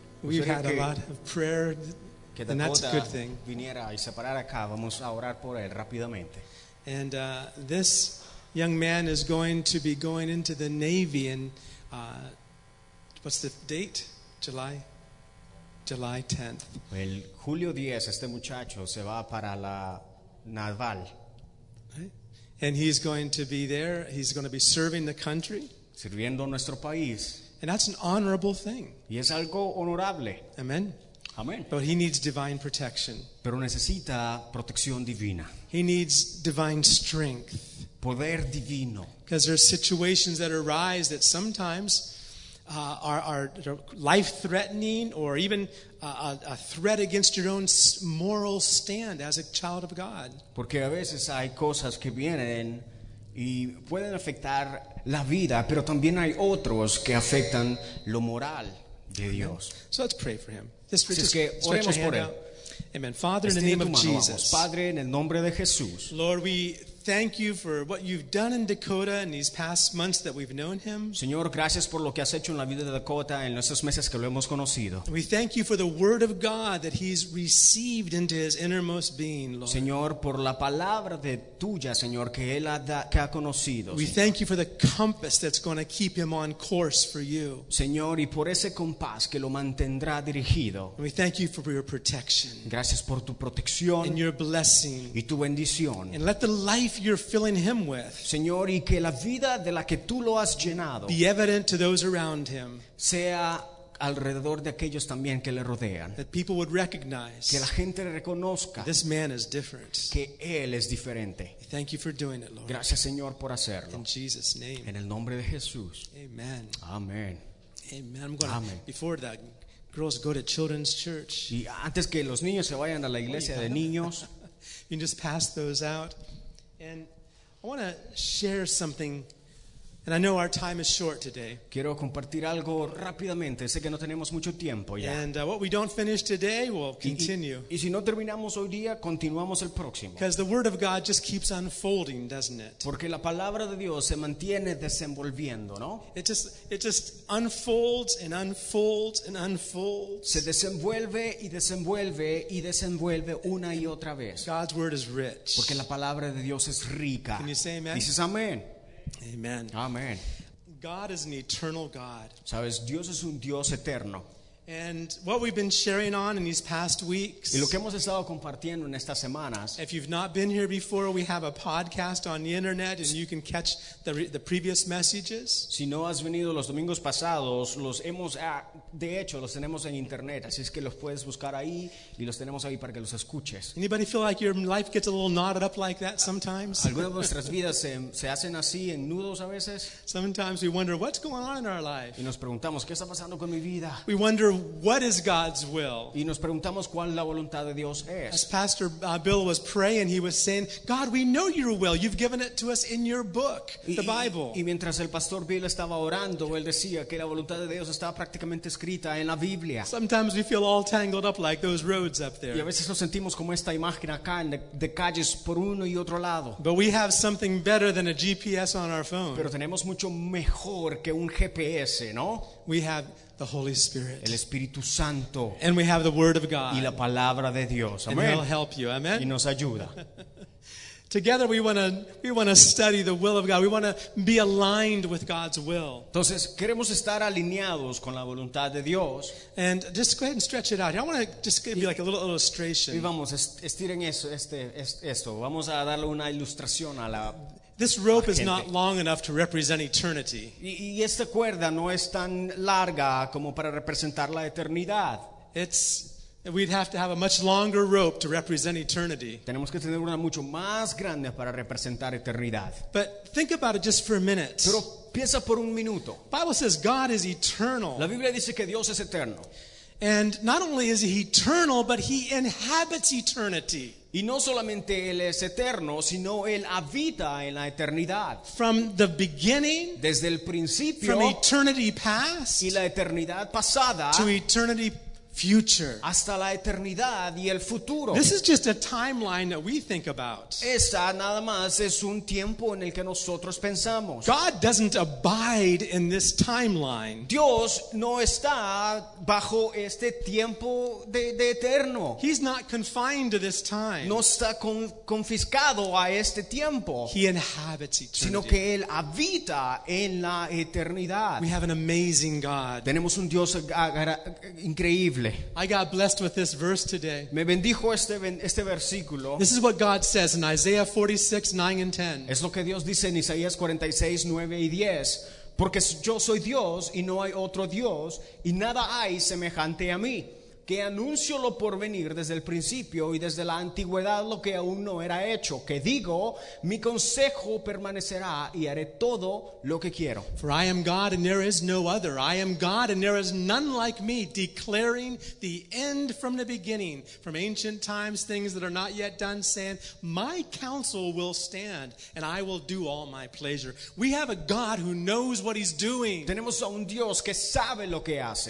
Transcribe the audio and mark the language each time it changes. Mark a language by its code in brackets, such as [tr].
[en] We've had a lot of prayer, and that's a good thing. [es] Viniera y se parara acá. Vamos a orar por él rápidamente. [en] And this young man is going to be going into the Navy in, what's the date? July 10th. [es] El julio 10, este muchacho se va para la naval. [en] And he's going to be there. He's going to be serving the country. [es] Sirviendo a nuestro país. [en] And that's an honorable thing. [es] Y es algo honorable. [en] Amen. Amen. But he needs divine protection. [es] Pero necesita protección divina. [en] He needs divine strength. [es] Poder divino. [en] Because there are situations that arise that sometimes are life-threatening or even a threat against your own moral stand as a child of God. [es] Porque a veces hay cosas que vienen y pueden afectar la vida, pero también hay otros que afectan lo moral de Dios. [en] Amen. So let's pray for him. [es] Así que oremos por él. Out. [en] Amen. Father, in the name of Jesus. [es] Padre, en el nombre de Jesús. [en] Lord, we thank you for what you've done in Dakota in these past months that we've known him. [es] Señor, gracias por lo que has hecho en la vida de Dakota en estos meses que lo hemos conocido. [en] We thank you for the word of God that he's received into his innermost being, Lord. [es] Señor, por la palabra de tuya, Señor, que él que ha conocido. [en] We thank you for the compass that's going to keep him on course for you. [es] Señor, y por ese compás que lo mantendrá dirigido. [en] We thank you for your protection. [es] Gracias por tu protección. [en] And your blessing. [es] Y tu bendición. [en] And let the light you're filling him with, [es] Señor, y que la vida de la que tú lo has llenado, [en] be evident to those around him, [es] sea alrededor de aquellos también que le rodean. [en] That people would recognize. [es] Que la gente le reconozca. [en] This man is different. [es] Que él es diferente. [en] Thank you for doing it, Lord. [es] Gracias, Señor, por hacerlo. [en] In Jesus' name. [es] En el nombre de Jesús. [en] Amen. Amen. Amen. Amen. Before that, girls go to children's church. [es] Y antes que los niños se vayan a la iglesia de niños. [en] You can just pass those out. And I want to share something. And I know our time is short today. [es] Quiero compartir algo rápidamente. Sé que no tenemos mucho tiempo ya. [en] And what we don't finish today, we'll continue. [es] Y si no terminamos hoy día, continuamos el próximo. [en] Because the word of God just keeps unfolding, doesn't it? [es] Porque la palabra de Dios se mantiene desenvolviendo, ¿no? [en] It just unfolds and unfolds and unfolds. [es] Se desenvuelve y desenvuelve y desenvuelve una y otra vez. [en] God's word is rich. [es] Porque la palabra de Dios es rica. [en] Can you say amen? [es] Dices amén. Amen. Amen. [en] God is an eternal God. [es] Sabes, Dios es un Dios eterno. [en] And what we've been sharing on in these past weeks. [es] Y lo que hemos estado compartiendo en estas semanas. [en] If you've not been here before, we have a podcast on the internet, and you can catch the previous messages. [es] Si no has venido los domingos pasados, los hemos de hecho los tenemos en internet, así es que los puedes buscar ahí y los tenemos ahí para que los escuches. [en] Anybody feel like your life gets a little knotted up like that sometimes? [es] Algunas de nuestras vidas se hacen así en nudos a veces. [en] Sometimes we wonder what's going on in our life. [es] Y nos preguntamos qué está pasando con mi vida. [en] We wonder what is God's will. [es] Y nos preguntamos cuál la voluntad de Dios es. [en] As Pastor Bill was praying, he was saying, God, we know your will. You've given it to us in your book, the Bible. [es] Y mientras el Pastor Bill estaba orando, él decía que la voluntad de Dios estaba prácticamente escrita en la Biblia. [en] Sometimes we feel all tangled up like those roads up there. [es] Y a veces nos sentimos como esta imagen acá de calles por uno y otro lado. [en] But we have something better than a GPS on our phone. [es] Pero tenemos mucho mejor que un GPS, ¿no? [en] We have the Holy Spirit. [es] El Espíritu Santo. [en] And we have the Word of God. [es] Y la palabra de Dios. Amen. [en] And He'll help you. Amen. [es] Y nos ayuda. [en] Together we want to study the will of God. We want to be aligned with God's will. [es] Entonces, queremos estar alineados con la voluntad de Dios. [en] And just go ahead and stretch it out. I want to just give you like a little illustration. [es] Y vamos, estiren eso, esto. Vamos a darle una ilustración a la. [en] This rope is not long enough to represent eternity. [es] Y esta cuerda no es tan larga como para representar la eternidad. [en] We'd have to have a much longer rope to represent eternity. [es] Tenemos que tener una mucho más grande para representar eternidad. [en] But think about it just for a minute. [es] Pero piensa por un minuto. [en] Bible says God is eternal. [es] La Biblia dice que Dios es eterno. [en] And not only is He eternal, but He inhabits eternity. [es] Y no solamente Él es eterno, sino Él habita en la eternidad. [en] From the beginning, [es] desde el principio, [en] from eternity past, [es] y la eternidad pasada, [en] to eternity future, [es] hasta la eternidad y el futuro. [en] This is just a timeline that we think about. [es] Esta nada más es un tiempo en el que nosotros pensamos. [en] God doesn't abide in this timeline. [es] Dios no está bajo este tiempo de eterno. [en] He's not confined to this time. [es] No está confiscado a este tiempo. [en] He inhabits eternity. [es] Sino que Él habita en la eternidad. [en] We have an amazing God. [es] Tenemos un Dios increíble. [en] I got blessed with this verse today. [es] Me bendijo este versículo. [en] This is what God says in Isaiah 46, 9 and 10. [es] Es lo que Dios dice en Isaías 46, 9 y 10. Porque yo soy Dios y no hay otro Dios y nada hay semejante a mí. Que anuncio lo por venir desde el principio y desde la antigüedad lo que aún no era hecho. Que digo, mi consejo permanecerá y haré todo lo que quiero. [en] For I am God and there is no other. I am God and there is none like me, declaring the end from the beginning. From ancient times, things that are not yet done, saying, my counsel will stand and I will do all my pleasure. We have a God who knows what He's doing. [es] Tenemos a un Dios que sabe lo que hace.